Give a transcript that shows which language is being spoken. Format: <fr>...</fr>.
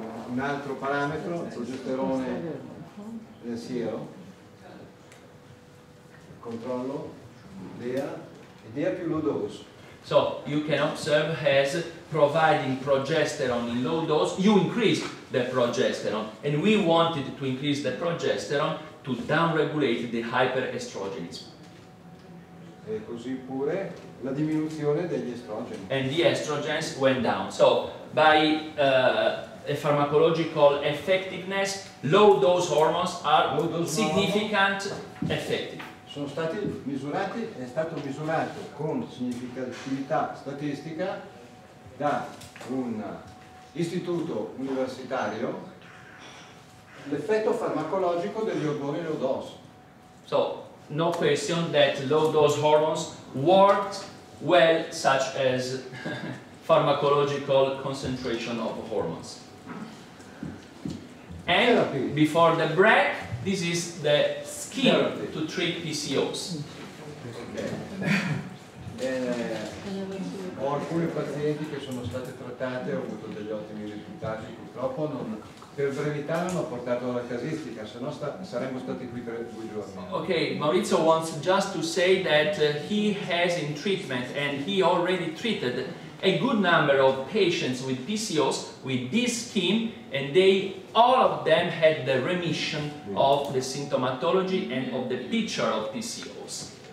<it>Un altro parametro, il progesterone del siero, controllo, idea più low dose.</it> <en>So, you can observe as providing progesterone in low dose, you increase the progesterone. And we wanted to increase the progesterone to downregulate the hyperestrogenism.</en> <it>E così pure la diminuzione degli estrogeni.</it> <en>And the estrogens went down. So, by a pharmacological effectiveness, low dose hormones are low dose significant hormone effective.</en> <it>Sono stati misurati, è stato misurato con significatività statistica da un istituto universitario l'effetto farmacologico degli ormoni low dose.</it> <en>So, no question that low dose hormones worked well, such as pharmacological concentration of hormones. And before the break, this is the scheme to treat PCOS. Okay.</en> <it>Ho alcuni pazienti che sono state trattate, ho avuto degli ottimi risultati, purtroppo non, per brevità non ho portato la casistica, se no saremmo stati qui per due giorni.</it> <en>Okay, Maurizio wants just to say that he has in treatment and he already treated a good number of patients with PCOS with this scheme, and they all of them had the remission of the symptomatology and of the picture of PCOS.</en>